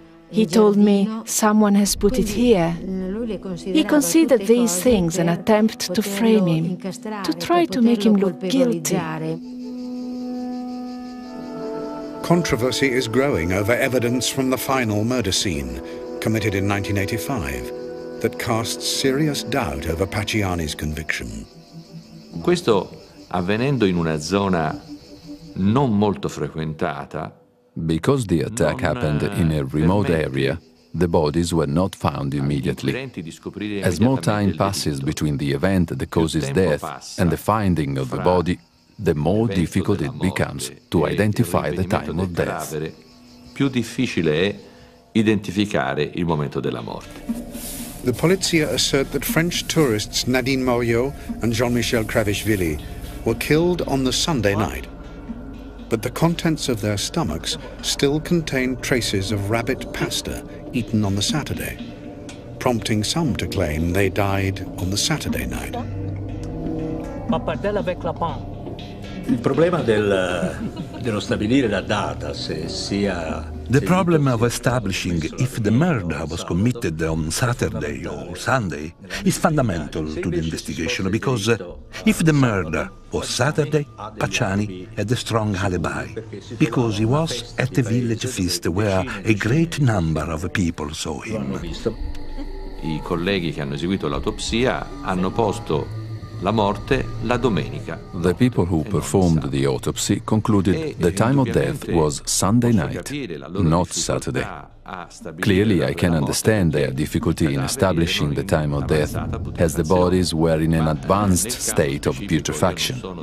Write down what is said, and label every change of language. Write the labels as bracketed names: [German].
[English] He told me someone has put it here. He considered these things an attempt to frame him, to try to make him look guilty. Controversy is growing over evidence from the final murder scene, committed in 1985, that casts serious doubt over Pacciani's conviction. [Italian] Questo avvenendo in una zona non molto frequentata. [English] Because the attack happened in a remote area, the bodies were not found immediately. As more time passes between the event that causes death and the finding of the body, the more difficult it becomes to identify the time of death. [Italian] Più difficile è identificare il momento della morte. [English] The polizia assert that French tourists Nadine Morio and Jean-Michel Cravishvili were killed on the Sunday night, but the contents of their stomachs still contained traces of rabbit pasta eaten on the Saturday, prompting some to claim they died on the Saturday night. [Italian] Il problema dello stabilire la data se sia. [English] The problem of establishing if the murder was committed on Saturday or Sunday is fundamental to the investigation because if the murder was Saturday, Pacciani had a strong alibi because he was at the village feast where a great number of people saw him. [Italian] I colleghi che hanno eseguito l'autopsia hanno posto la morte la domenica. [English] The people who performed the autopsy concluded the time of death was Sunday night, not Saturday. Clearly, I can understand their difficulty in establishing the time of death, as the bodies were in an advanced state of putrefaction.